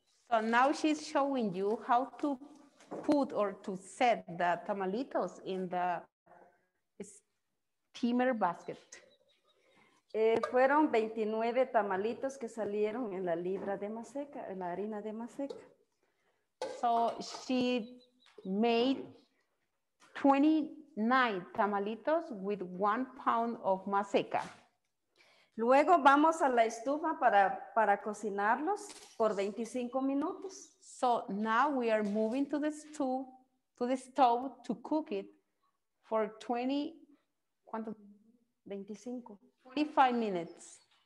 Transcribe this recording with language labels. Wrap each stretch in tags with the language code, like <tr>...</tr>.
<en>So now she's showing you how to put or to set the tamalitos in the steamer basket.</en> <es>Fueron 29 tamalitos que salieron en la libra de maseca, en la harina de maseca.</es> <en>So she made 29 tamalitos with 1 pound of maseca.</en> <es>Luego vamos a la estufa para cocinarlos por 25 minutos.</es> <en>So now we are moving to the stove to cook it for 25 minutes.</en>